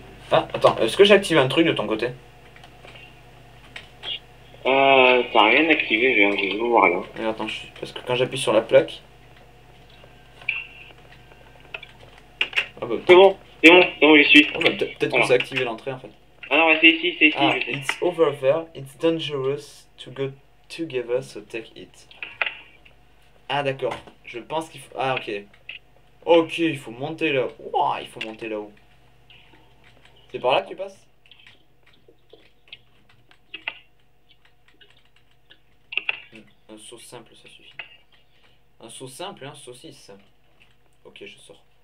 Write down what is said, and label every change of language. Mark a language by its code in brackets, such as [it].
[fr] Ah, attends. Est-ce que j'active un truc de ton côté? T'as rien activé, je vais voir rien. Et attends, parce que quand j'appuie sur la plaque. Ah, bah C'est peut-être. bon, c'est bon, c'est bon, j'y suis. Oh, bah, peut-être que ça a Voilà. activé l'entrée en fait. Ah non, c'est ici, c'est ici, Ah, je sais. [en] it's over there. It's dangerous to go together, so take it. [fr] Ah, d'accord. Je pense qu'il faut. Ah, ok. Ok, il faut monter là-haut. Ouah, il faut monter là-haut. C'est par là que tu passes? Un saut simple, ça suffit. Un saut simple et un saucisse. Ok, je sors.